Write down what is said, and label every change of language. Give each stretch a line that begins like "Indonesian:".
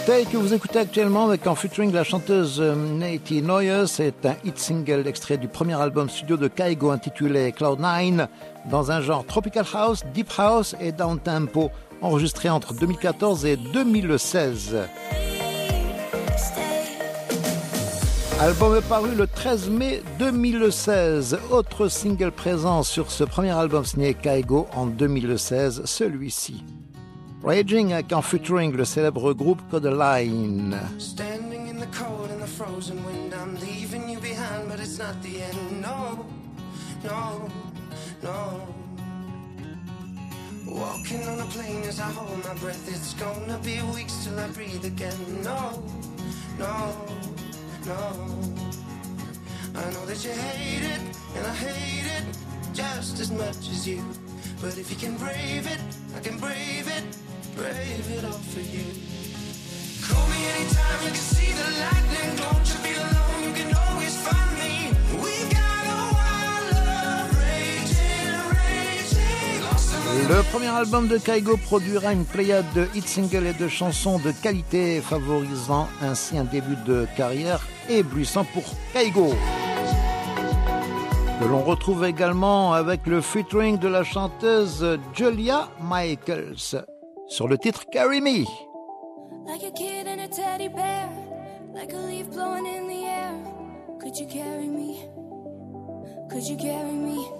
French: Que vous écoutez actuellement avec en featuring la chanteuse Nati Noyes est un hit single extrait du premier album studio de Kygo intitulé Cloud Nine dans un genre tropical house, deep house et down tempo enregistré entre 2014 et 2016. L'album est paru le 13 mai 2016. Autre single présent sur ce premier album signé Kygo en 2016, celui-ci. Raging and featuring le célèbre groupe Codeline.
English: Standing in the cold and the frozen wind, I'm leaving you behind, but it's not the end. No, no, no. Walking on a plane as I hold my breath, it's gonna be weeks till I breathe again. No, no, no. I know that you hate it, and I hate it just as much as you. But if you can brave it, I can brave it. Brave it all for you. Call me anytime you can see the lightning. Don't you feel alone, you can always find me. We got a wild love, raging, raging.
French: Le premier album de Kygo produira une pléiade de hit singles et de chansons de qualité, favorisant ainsi un début de carrière éblouissant pour Kygo. Que l'on retrouve également avec le featuring de la chanteuse Julia Michaels. Sur le titre Carry Me.
English: Like a kid and a teddy bear, like a leaf blowing in the air. Could you carry me? Could you carry me?